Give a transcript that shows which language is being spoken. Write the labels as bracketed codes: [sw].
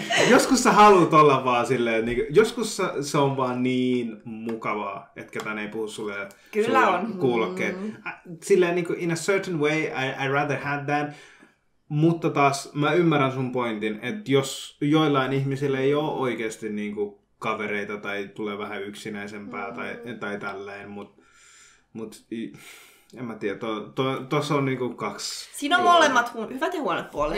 [fi] joskus sä haluat olla vaan silleen, niin joskus se on vaan niin mukavaa, että ketään ei puhu sulle kuulokkeet. Silleen, niin kuin, [en] in a certain way, I rather had that. [fi] Mutta taas mä ymmärrän sun pointin, että jos joillain ihmisillä ei ole oikeasti niin kuin kavereita tai tulee vähän yksinäisempää tai tälleen, mutta en mä tiedä, tuossa on niinku kaksi. Siinä on molemmat hyvät ja huonot puolensa.